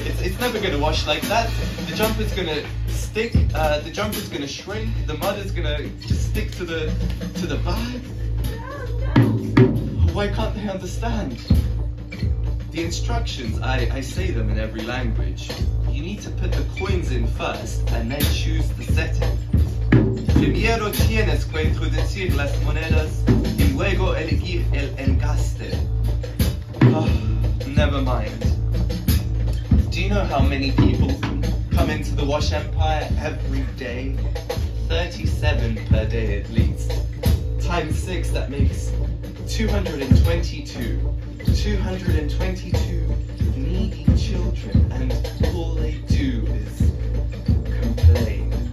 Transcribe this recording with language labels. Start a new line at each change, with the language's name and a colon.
English: It's never going to wash like that. The jumper's going to stick, the jumper's going to shrink, the mud is going to just stick to the bag. Why can't they understand? The instructions, I say them in every language. You need to put the coins in first and then choose the setting.
Spanish: Primero tienes que introducir las monedas y luego elegir el engaste.
English: Oh, never mind. Do you know how many people come into the Wash Empire every day? 37 per day at least. Times 6, that makes 222. 222 needy children, and all they do is complain.